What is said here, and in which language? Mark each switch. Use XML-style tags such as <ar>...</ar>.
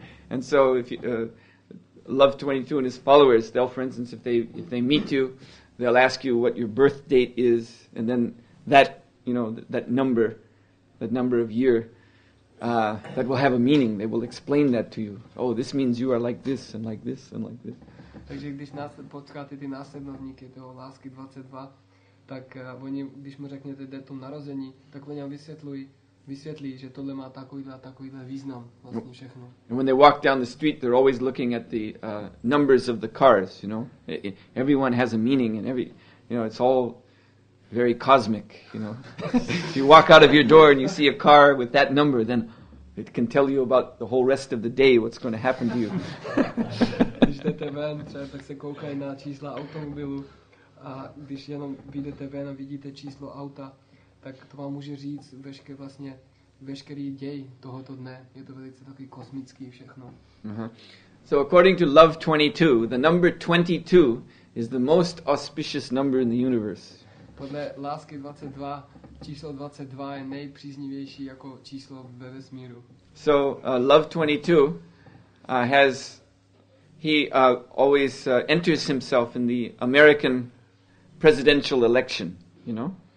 <en>And so if you, Love 22 and his followers, they'll, for instance, if they meet you, they'll ask you what your birth date is, and then that, you know, that number of year, that will have a meaning. They will explain that to you. Oh, this means you are like this and like this and like this.</en> <cs>Takže když potkáte ty následovníky toho Lásky 22, tak oni, když mu řeknete datum narození, tak oni vám vysvětlí, že tohle má takovýhle a takovýhle význam, vlastně všechno.</cs> <en>And when they walk down the street, they're always looking at the numbers of the cars, you know. Everyone has a meaning and every, you know, it's all very cosmic, you know. If you walk out of your door and you see a car with that number, then it can tell you about the whole rest of the day, what's going to happen to you.</en> <cs>Když jdete ven, třeba, tak se koukají na čísla automobilu a když jenom vyjdete ven a vidíte číslo auta, tak to vám může říct veškerý děj tohoto dne. Je to velice takový kosmický všechno. Uh-huh.</cs> <en>So according to Love 22, the number 22 is the most auspicious number in the universe.</en> <cs>Podle Lásky 22, číslo 22 je nejpříznivější jako číslo ve vesmíru.</cs> <en>So Love 22 has... He always enters himself in the American presidential election, you know?</en>